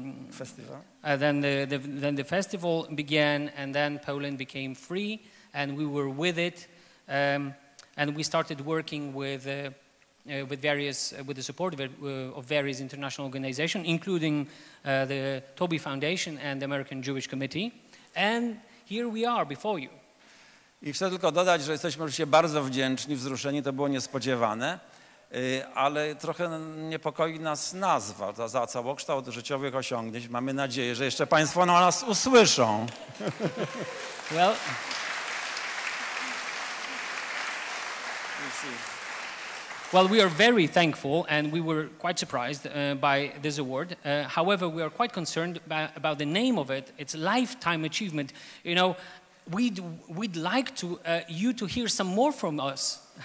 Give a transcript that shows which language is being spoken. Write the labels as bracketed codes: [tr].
[en] Festival. Then the festival began, and then Poland became free, and we were with it, and we started working with the support of various international organizations, including the Tobie Foundation and the American Jewish Committee, and here we are before you. [pl] I chcę tylko dodać, że jesteśmy oczywiście bardzo wdzięczni, wzruszeni, to było niespodziewane, ale trochę niepokoi nas nazwa za całokształt życiowych osiągnięć. Mamy nadzieję, że jeszcze Państwo na nas usłyszą. [en] Well, well, we are very thankful and we were quite surprised by this award. However, we are quite concerned about the name of it. It's a lifetime achievement. You know, we'd like to you to hear some more from us.